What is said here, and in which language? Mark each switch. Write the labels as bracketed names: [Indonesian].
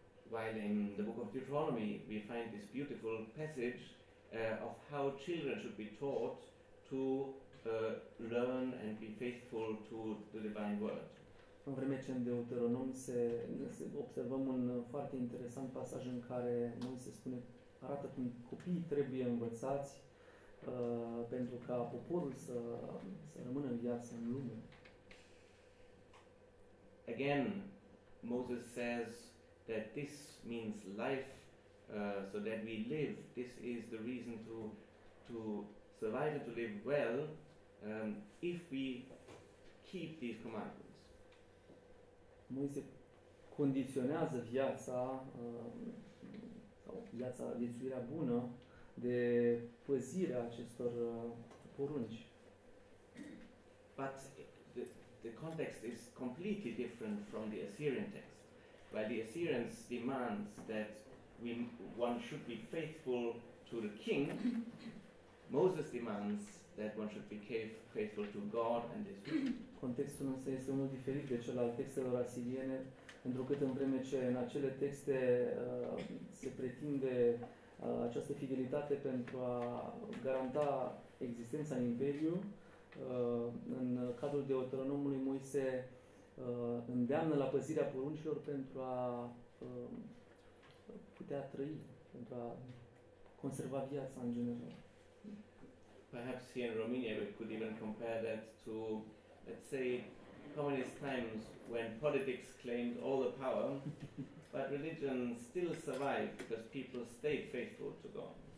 [English] While in the book of Deuteronomy we find this beautiful passage of how children should be taught to learn and be faithful to the divine word. [Romanian] În vreme ce în Deuteronom se observăm un foarte interesant pasaj în care Moise spune arată cum copiii trebuie învățați pentru ca poporul să rămână în viață în lume. [English] Again, Moses says that this means life, so that we live. This is the reason to survive and to live well, if we keep these commandments. [Romanian] Moise condiționează viața, sau viața, viețuirea bună, de păzirea acestor porunci. [English] But the context is completely different from the Assyrian text. While the Assyrians demand that one should be faithful to the king, Moses demands that one should be faithful to God and his word. [Romanian] Contextul nostru este unul diferit de cel al textelor asiriene, pentru că în vreme ce în acele texte se pretinde această fidelitate pentru a garanta existența în imperiu, în cadrul Deuteronomului Moise îndeamnă la păzirea poruncilor pentru a putea trăi, pentru a conserva viața în general. [English] Perhaps here in Romania we could even compare that to, let's say, communist times when politics claimed all the power, but religion still survived because people stayed faithful to God.